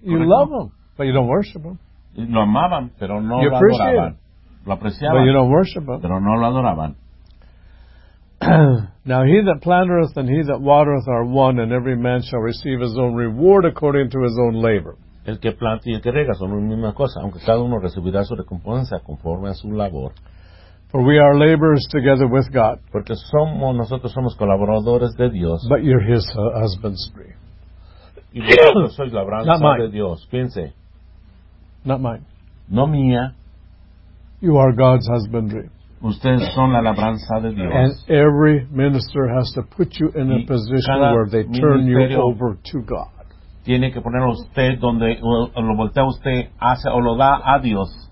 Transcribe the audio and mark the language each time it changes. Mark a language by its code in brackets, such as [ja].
[en] You [es] correcto. [en] Love him, but you don't worship him. [es] Lo amaban, pero no [en] you [es] lo adoraban. Lo apreciaban, [en] but you don't worship him. [es] Pero no lo adoraban. [en] Now he that plantereth and he that watereth are one, and every man shall receive his own reward according to his own labor. [es] El que planta y el que rega son la misma cosa, aunque cada uno recibirá su recompensa conforme a su labor. [en] For we are laborers together with God. [es] Porque nosotros somos colaboradores de Dios. [en] But you're his husbandry. [es] Y vosotros sois labranza de Dios. Piense. [en] Not mine. [es] No mía. [en] You are God's husbandry. [es] Ustedes son la labranza de Dios. [en] And every minister has to put you in a position where they turn you over to God. [es] Tiene que poner a usted donde lo voltea usted, hace o lo da a Dios.